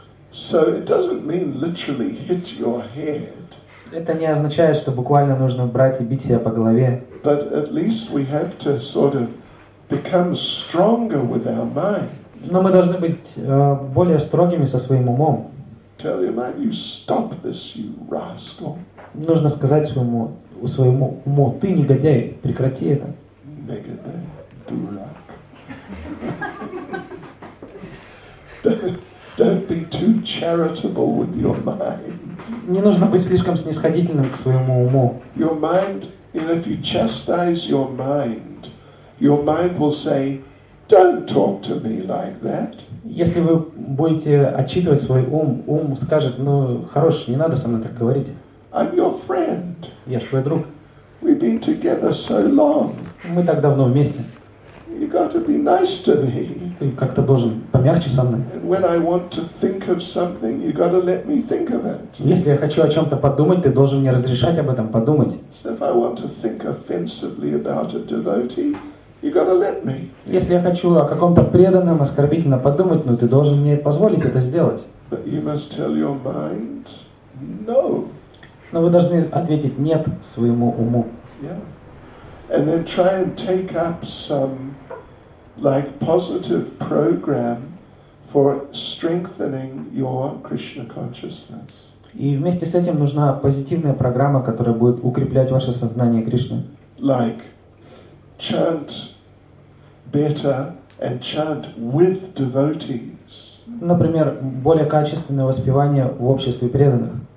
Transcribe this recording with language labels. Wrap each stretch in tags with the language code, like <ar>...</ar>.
<en>So it doesn't mean literally hit your head.</en> <ru>Это не означает, что буквально нужно брать и бить себя по голове.</ru> <en>But at least we have to sort of become stronger with our mind.</en> <ru>Но мы должны быть более строгими со своим умом.</ru> <en>Tell your mind, you stop this, you rascal.</en> <ru>Нужно сказать своему уму, ты негодяй, прекрати это. Негодяй, дурак.</ru> <en>Don't be too charitable with your mind.</en> <ru>Не нужно быть слишком снисходительным к своему уму.</ru> <en>Your mind, and if you chastise your mind will say, "Don't talk to me like that."</en> <ru>Если вы будете отчитывать свой ум, ум скажет: "Ну, хорош, не надо со мной так говорить."</ru> <en>I'm your friend.</en> <ru>Я ж твой друг.</ru> <en>We've been together so long.</en> <ru>Мы так давно вместе.</ru> <en>You got to be nice to me.</en> <ru>Ты как-то должен помягче со мной.</ru> <en>And when I want to think of something, you got to let me think of it.</en> <ru>Если я хочу о чем-то подумать, ты должен мне разрешать об этом подумать.</ru> <en>So if I want to think offensively about a devotee, you got to let me.</en> <ru>Если я хочу о каком-то преданном оскорбительно подумать, ты должен мне позволить это сделать.</ru> <en>But you must tell your mind no.</en> <ru>Но вы должны ответить нет своему уму.</ru> <en>Yeah. And then try and take up some like positive program for strengthening your Krishna consciousness.</en> <ru>И вместе с этим нужна позитивная программа, которая будет укреплять ваше сознание Кришны.</ru> <en>Like chant better and chant with devotees.</en> <ru>Например, более качественное воспевание в обществе преданных.</ru>